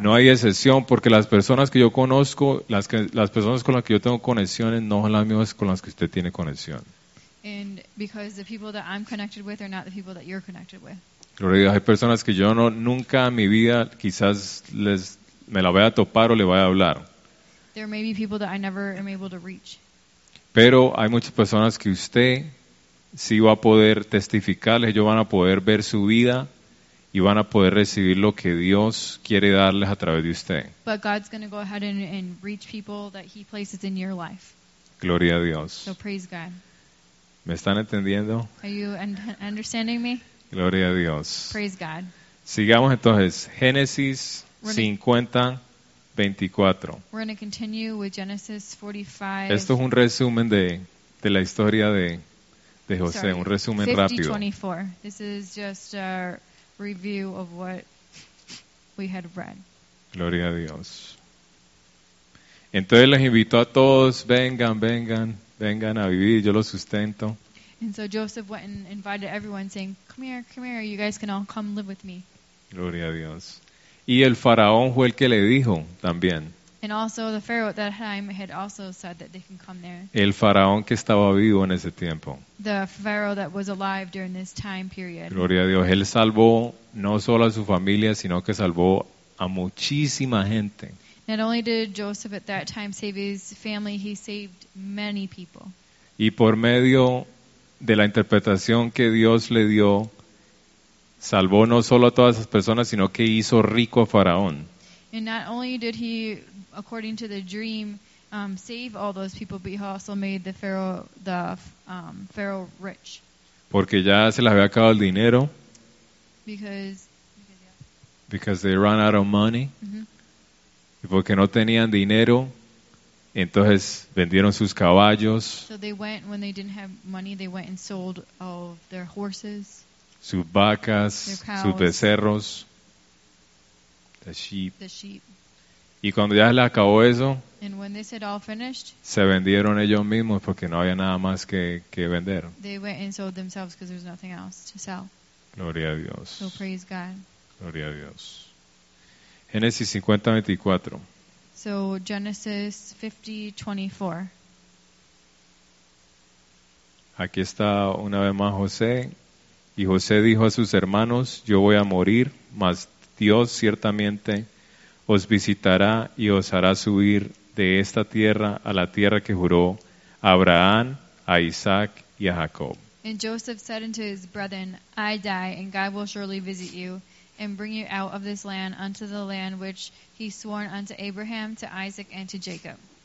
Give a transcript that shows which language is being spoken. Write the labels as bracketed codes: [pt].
[es] No hay excepción porque las personas que yo conozco, las personas con las que yo tengo conexiones no son las mismas con las que usted tiene conexión. [en] And because the people that I'm connected with are not the people that you're connected with. [es] Gloria a Dios, hay personas que yo no nunca en mi vida quizás me la voy a topar o le voy a hablar. [en] There may be people that I never am able to reach. [es] Pero hay muchas personas que usted sí va a poder testificarles, ellos van a poder ver su vida y van a poder recibir lo que Dios quiere darles a través de usted. [en] But God's going to go ahead and reach people that he places in your life. [es] Gloria a Dios. [en] So praise God. [es] ¿Me están entendiendo? [en] Are you understanding me? [es] Gloria a Dios. [en] Praise God. [es] Sigamos entonces. Génesis 50, 24. [en] We're going to continue with Genesis 45. [es] Esto es un resumen de la historia de José. [en] Sorry. [es] Un resumen 50, rápido. 24. [en] This is just a review of what we had read. [es] Gloria a Dios. Entonces les invitó a todos, vengan a vivir, yo los sustento. [en] And so Joseph went and invited everyone saying, come here, you guys can all come live with me. [es] Gloria a Dios. Y el faraón fue el que le dijo también. [en] And also the pharaoh at that time had also said that they can come there. [es] El faraón que estaba vivo en ese tiempo. [en] The pharaoh that was alive during this time period. [es] Gloria a Dios. Él salvó no solo a su familia, sino que salvó a muchísima gente. [en] Not only did Joseph at that time save his family, he saved many people. [es] Y por medio de la interpretación que Dios le dio, salvó no solo a todas esas personas, sino que hizo rico a Faraón. [en] And not only did he, according to the dream, save all those people, but he also made the Pharaoh rich. [es] Porque ya se les había acabado el dinero. [en] Because they ran out of money. Mm-hmm. [es] Y porque no tenían dinero. Entonces vendieron sus caballos. [en] So they went when they didn't have money, they went and sold all of their horses. [es] Sus vacas, [en] their cows, [es] sus becerros. [en] The sheep. [es] Y cuando ya se les acabó eso, [en] and when this had all finished, [es] se vendieron ellos mismos porque no había nada más que vender. [en] They went and sold themselves because there was nothing else to sell. [es] Gloria a Dios. [en] So praise God. [es] Gloria a Dios. Génesis 50:24. [en] So Genesis 50:24. [es] Aquí está una vez más José. Y José dijo a sus hermanos, yo voy a morir, mas Dios ciertamente os visitará y os hará subir de esta tierra a la tierra que juró a Abraham, a Isaac y a Jacob. [en] And Joseph said unto his brethren, I die, and God will surely visit you and bring you out of this land unto the land which he sworn unto Abraham, to Isaac, and to Jacob.